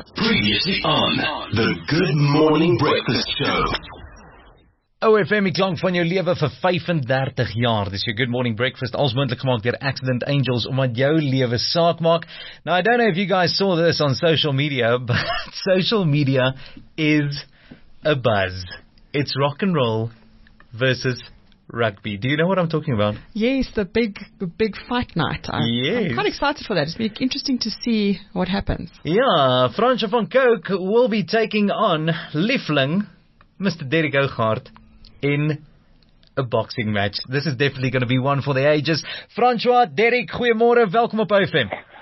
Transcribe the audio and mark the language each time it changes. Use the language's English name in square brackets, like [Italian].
[English] Previously on the Good Morning Breakfast Show. [Afrikaans] Oh, FM, ek klank van jou lewe vir 35 jaar. Dis jou Good Morning Breakfast, als moontlik gemaak deur Accident Angels, omdat jou lewe saak maak. [English] Now, I don't know if you guys saw this on social media, but social media is a buzz. It's rock and roll versus rugby. Do you know what I'm talking about? Yes, the big fight night. I'm quite excited for that. It's been interesting to see what happens. Yeah, Francois van Cooke will be taking on Liefling, Mr. Derek Oughart, in a boxing match. This is definitely going to be one for the ages. [Afrikaans] Francois, Derek, goeiemôre, welkom op OFM.